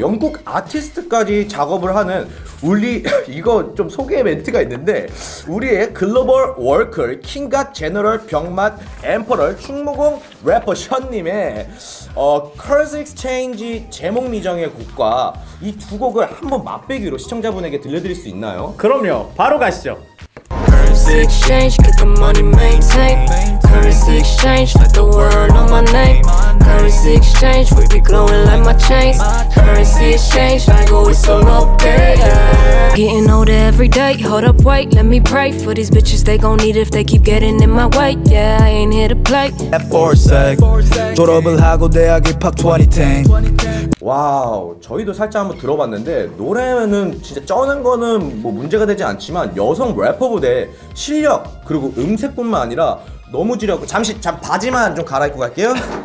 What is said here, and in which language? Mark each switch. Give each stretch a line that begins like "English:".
Korean: 영국 아티스트까지 작업을 하는 우리 이거 좀 소개 멘트가 있는데 우리의 글로벌 워클 킹갓 제너럴 병맛 엠퍼럴 충무공 래퍼 션님의 Currency Exchange 제목 미정의 곡과 이 두 곡을 한번 맛보기로 시청자분에게 들려드릴 수 있나요? 그럼요, 바로 가시죠.
English: Currency Exchange, get the money maintained. Currency Exchange, let the world know my name. Currency Exchange, we be glowing like my chains. Currency Exchange, I go with some update. Getting older every day, hold up, wait, let me pray for these bitches they gon' need if they keep getting in my way. Yeah, I ain't here to play. At for a sec,
Korean: 졸업을 하고 대학 입학 2010. 와우, 저희도 살짝 한번 들어봤는데 노래는 진짜 쩌는 거는 뭐 문제가 되지 않지만 여성 래퍼 부대 실력 그리고 음색뿐만 아니라 너무 지려고 잠시 잠 바지만 좀 갈아입고 갈게요.